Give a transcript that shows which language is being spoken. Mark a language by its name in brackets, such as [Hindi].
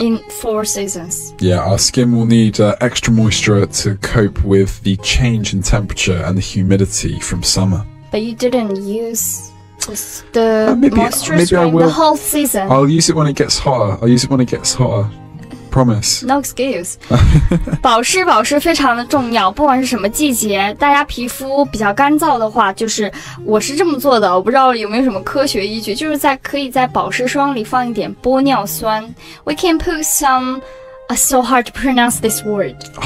[English] In four seasons. Yeah, our skin will need extra moisture to cope with the change in temperature and the humidity from summer. But you didn't use the moisturizer the whole season. I'll use it when it gets hotter. Promise. No excuse. [Chinese] 保湿非常的重要，不管是什么季节，大家皮肤比较干燥的话，就是我是这么做的，我不知道有没有什么科学依据，就是在可以在保湿霜里放一点玻尿酸。 [English] We can put some, so hard to pronounce this word.